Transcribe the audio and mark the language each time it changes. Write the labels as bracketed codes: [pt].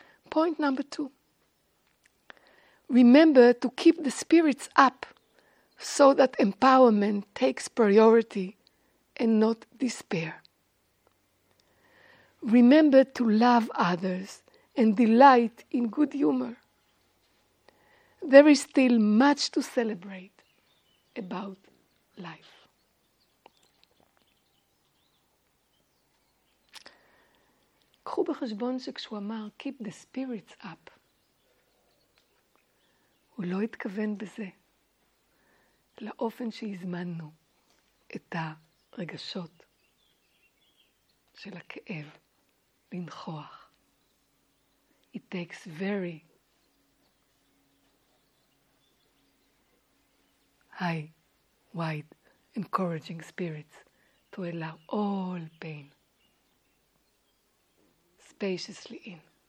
[en] Point number two. Remember to keep the spirits up so that empowerment takes priority and not despair. Remember to love others and delight in good humor. There is still much to celebrate about life. [he] קחו בחשבון שכשהוא אמר [en] keep the spirits up, [he] הוא לא התכוון בזה לאופן שהזמנו את הרגשות של הכאב לנחוח. [en] It takes very high, wide, encouraging spirits to allow all pain spaciously in.